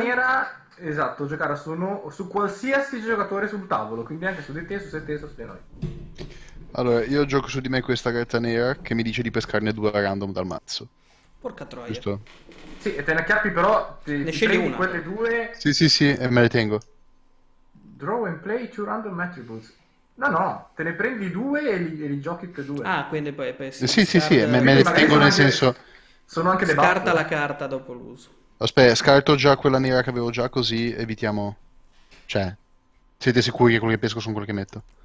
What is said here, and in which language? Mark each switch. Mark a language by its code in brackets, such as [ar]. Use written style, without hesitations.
[it] Una carta nera, esatto, giocare su qualsiasi giocatore sul tavolo, quindi anche su di te, su se stesso, su di noi. Allora, io gioco su di me questa carta nera che mi dice di pescarne due random dal mazzo. Porca troia. Giusto? Sì, e te ne acchiappi però, ne scegli una. Quelle due... Sì, e me le tengo. [en] Draw and play two random attributes. [it] No, te ne prendi due e li giochi per due. Ah, quindi poi sì. Sì, me le tengo nel senso... Sono anche le scarta debuffo. La carta dopo l'uso. Aspetta, scarto già quella nera che avevo già, così evitiamo... Cioè, siete sicuri che quello che pesco sono quello che metto?